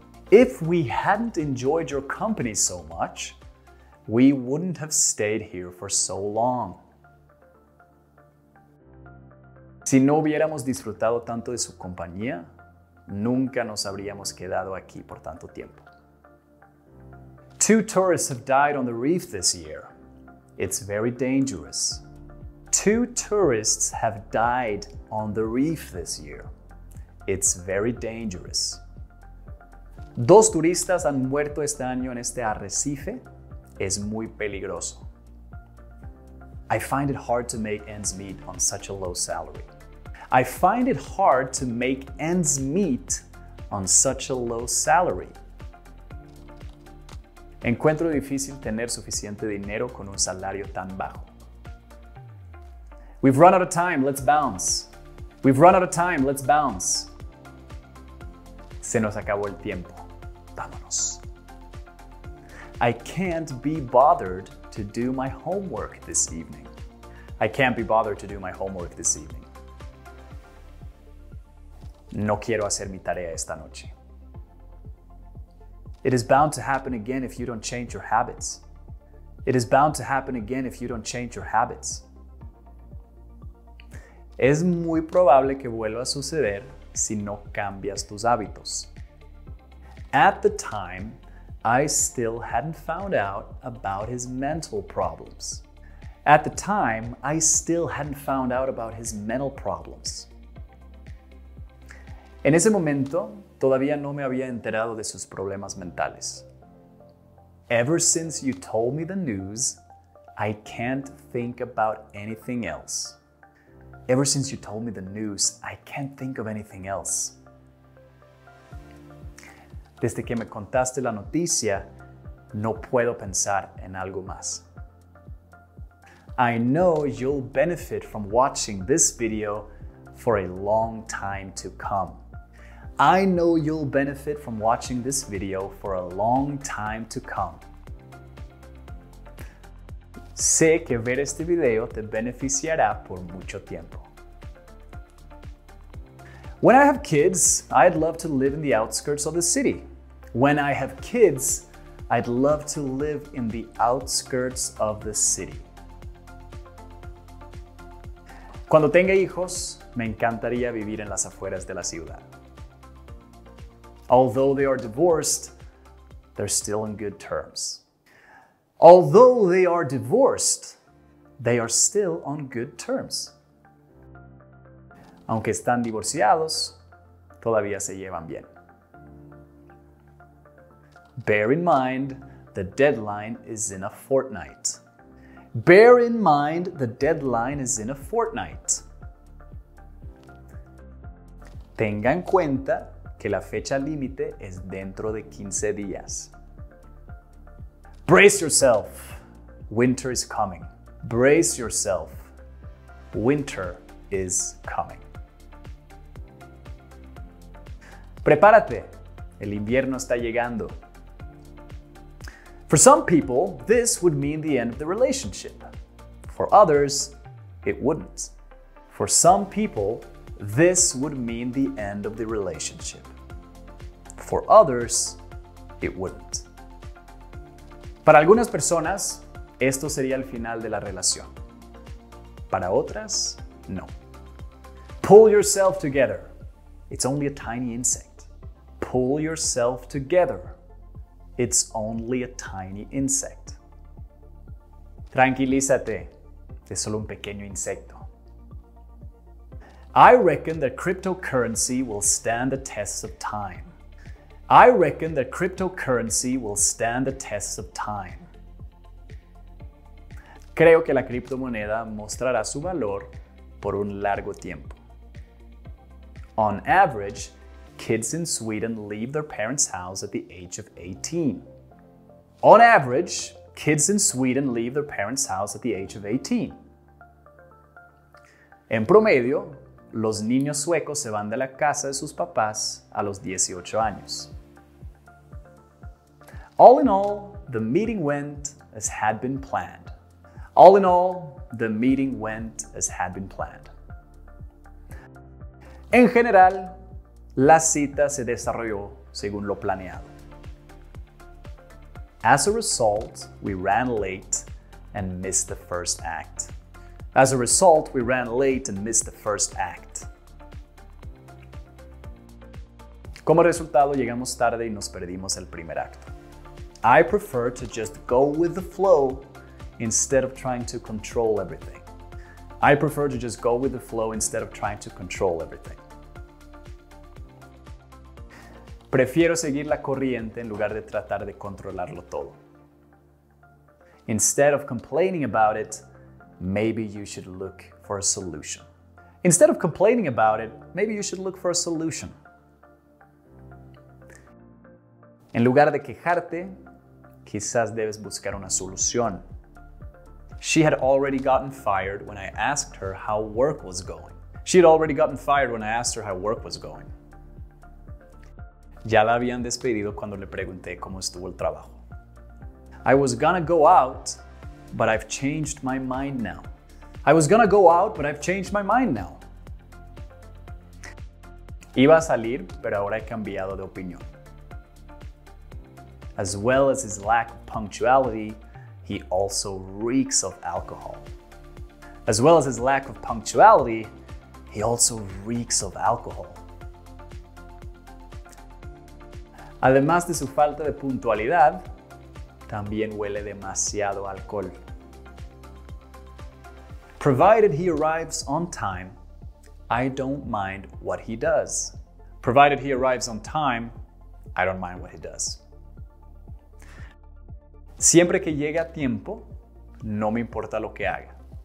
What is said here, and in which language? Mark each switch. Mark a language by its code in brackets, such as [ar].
[en] If we hadn't enjoyed your company so much, we wouldn't have stayed here for so long. [es] Si no hubiéramos disfrutado tanto de su compañía, nunca nos habríamos quedado aquí por tanto tiempo. [en] Two tourists have died on the reef this year. It's very dangerous. Two tourists have died on the reef this year. It's very dangerous. [es] Dos turistas han muerto este año en este arrecife. Es muy peligroso. [en] I find it hard to make ends meet on such a low salary. I find it hard to make ends meet on such a low salary. [es] Encuentro difícil tener suficiente dinero con un salario tan bajo. [en] We've run out of time. Let's bounce. We've run out of time. Let's bounce. [es] Se nos acabó el tiempo. Vámonos. [en] I can't be bothered to do my homework this evening. I can't be bothered to do my homework this evening. [es] No quiero hacer mi tarea esta noche. [en] It is bound to happen again if you don't change your habits. It is bound to happen again if you don't change your habits. [es] Es muy probable que vuelva a suceder si no cambias tus hábitos. [en] At the time, I still hadn't found out about his mental problems. At the time, I still hadn't found out about his mental problems. [es] En ese momento, todavía no me había enterado de sus problemas mentales. [en] Ever since you told me the news, I can't think about anything else. Ever since you told me the news, I can't think of anything else. [es] Desde que me contaste la noticia, no puedo pensar en algo más. [en] I know you'll benefit from watching this video for a long time to come. I know you'll benefit from watching this video for a long time to come. [es] Sé que ver este video te beneficiará por mucho tiempo. [en] When I have kids, I'd love to live in the outskirts of the city. When I have kids, I'd love to live in the outskirts of the city. [es] Cuando tenga hijos, me encantaría vivir en las afueras de la ciudad. [en] Although they are divorced, they're still in good terms. Although they are divorced, they are still on good terms. [es] Aunque están divorciados, todavía se llevan bien. [en] Bear in mind, the deadline is in a fortnight. Bear in mind, the deadline is in a fortnight. [es] Tenga en cuenta que la fecha límite es dentro de 15 días. [en] Brace yourself. Winter is coming. Brace yourself. Winter is coming. [es] Prepárate. El invierno está llegando. [en] For some people, this would mean the end of the relationship. For others, it wouldn't. For some people, this would mean the end of the relationship. For others, it wouldn't. [es] Para algunas personas, esto sería el final de la relación. Para otras, no. [en] Pull yourself together. It's only a tiny insect. Pull yourself together. It's only a tiny insect. [es] Tranquilízate. Es solo un pequeño insecto. [en] I reckon that cryptocurrency will stand the test of time. I reckon that cryptocurrency will stand the test of time. [es] Creo que la criptomoneda mostrará su valor por un largo tiempo. [en] On average, kids in Sweden leave their parents' house at the age of 18. On average, kids in Sweden leave their parents' house at the age of 18. [es] En promedio, los niños suecos se van de la casa de sus papás a los 18 años. [en] All in all, the meeting went as had been planned. All in all, the meeting went as had been planned. [es] En general, la cita se desarrolló según lo planeado. [en] As a result, we ran late and missed the first act. As a result, we ran late and missed the first act. [es] Como resultado, llegamos tarde y nos perdimos el primer acto. [en] I prefer to just go with the flow instead of trying to control everything. I prefer to just go with the flow instead of trying to control everything. [es] Prefiero seguir la corriente en lugar de tratar de controlarlo todo. [en] Instead of complaining about it, maybe you should look for a solution. Instead of complaining about it, maybe you should look for a solution. [es] En lugar de quejarte, quizás debes buscar una solución. [en] She had already gotten fired when I asked her how work was going. She had already gotten fired when I asked her how work was going. [es] Ya la habían despedido cuando le pregunté cómo estuvo el trabajo. [en] I was gonna go out, but I've changed my mind now. I was gonna go out, but I've changed my mind now. [es] Iba a salir, pero ahora he cambiado de opinión. [en] As well as his lack of punctuality, he also reeks of alcohol. As well as his lack of punctuality, he also reeks of alcohol. [es] Además de su falta de puntualidad, también huele demasiado alcohol. [en] Provided he arrives on time, I don't mind what he does. Provided he arrives on time, I don't mind what he does. [es] Siempre que llegue a tiempo, no me importa lo que haga.